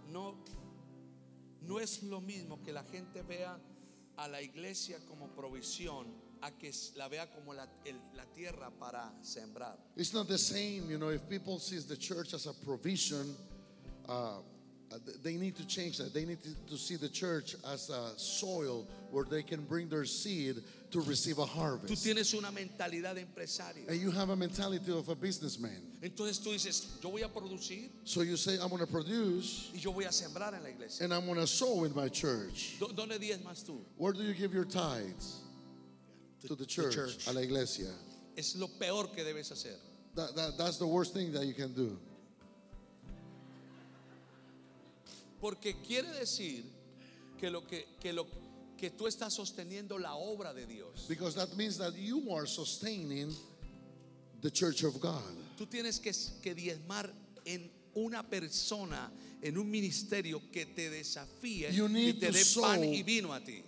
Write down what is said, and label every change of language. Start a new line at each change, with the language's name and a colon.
Spanish: No es lo mismo que la gente vea a la iglesia como provisión a que la vea como la tierra para sembrar.
English: It's not the same, if people see the church as a provision, They need to change that. They need to see the church as a soil where they can bring their seed to receive a harvest.
Spanish: Tú tienes una mentalidad de empresario.
English: And you have a mentality of a businessman.
Spanish: Entonces tú dices, yo voy a producir.
English: So you say, I'm going to produce.
Spanish: Y yo voy a sembrar en la iglesia.
English: And I'm going to sow in my church.
Spanish: ¿Dónde diezmas tú?
English: Where do you give your tithes? To the church, the church.
Spanish: A la iglesia. Es lo peor que debes hacer.
English: That's the worst thing that you can do.
Spanish: Porque quiere decir que lo que tú estás sosteniendo la obra de Dios.
English: Because that means that you are sustaining the church of God.
Spanish: Tú tienes que diezmar en una persona, en un ministerio que te desafíe y te dé pan y vino a ti.